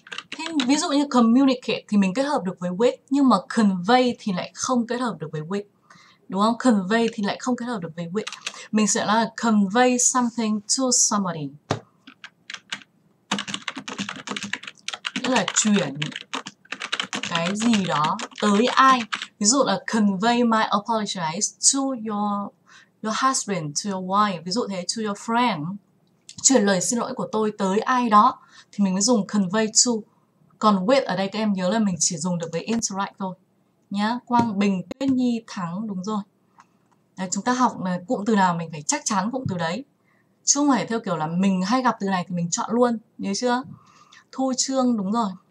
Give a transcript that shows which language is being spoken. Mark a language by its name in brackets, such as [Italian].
[Vietnamese] Thế ví dụ như communicate thì mình kết hợp được với with, nhưng mà convey thì lại không kết hợp được với with, đúng không? Convey thì lại không kết hợp được với with. Mình sẽ là [English] convey something to somebody, [Vietnamese] nghĩa là chuyển cái gì đó tới ai. Ví dụ là [English] convey my apologies to your husband, to your wife, [Vietnamese] ví dụ thế, [English] to your friend. [Vietnamese] Chuyển lời xin lỗi của tôi tới ai đó thì mình mới dùng convey to. Còn with ở đây các em nhớ là mình chỉ dùng được với interact thôi nhá. Quang Bình, Tuyết Nhi, Thắng, đúng rồi. Đấy, chúng ta học cụm từ nào mình phải chắc chắn cụm từ đấy, chứ không phải theo kiểu là mình hay gặp từ này thì mình chọn luôn, nhớ chưa? Thu Trương, đúng rồi.